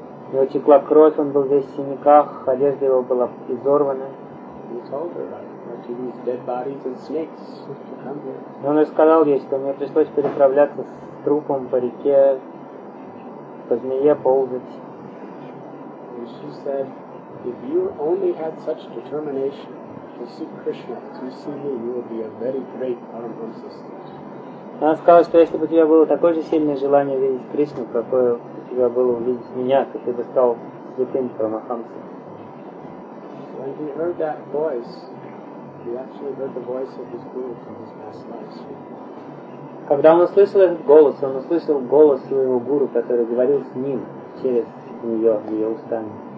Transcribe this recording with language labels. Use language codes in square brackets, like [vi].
[ru] У него текла кровь, он был весь в синяках, одежда его была изорвана. [en] He told her that he needs dead bodies and snakes to come here. [ru] Он рассказал ей, что мне пришлось переправляться с трупом по реке, по змее ползать. [en] And she said, if you only had such determination to see Krishna, to see me, you would be a very great Paramahamsa. [ru] Она сказала, что если бы у тебя было такое же сильное желание видеть Кришну, какое у тебя было увидеть меня, то ты бы стал святым Парамахамсой. [en] When he heard that voice, he actually heard the voice of his guru from his past life. [ru] Когда он услышал этот голос, он услышал голос своего гуру, который говорил с ним через нее, ее устами.